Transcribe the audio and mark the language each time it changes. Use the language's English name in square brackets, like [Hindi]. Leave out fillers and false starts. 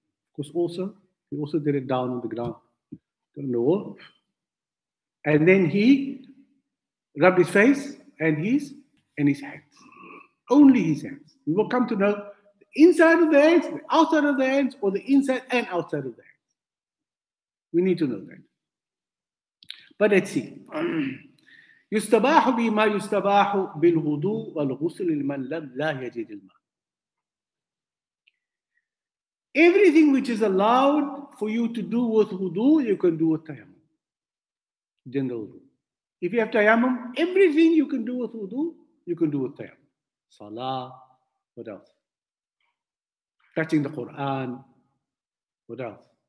[English] Of course, also, he also did it down on the ground, on the wall. And then he rubbed his face and his hands. Only his hands. We will come to know the inside of the hands, the outside of the hands, or the inside and outside of the hands. We need to know that. But let's see. [Arabic] يستباح بما يستباح بالوضوء والغسل لمن لم لا يجد الماء. [English] Everything which is allowed for you to do with wudu, you can do with tayammum. General wudu. If you have tayammum, everything you can do with wudu, you can do with tayammum. Salah, what else? Touching the Quran, what else?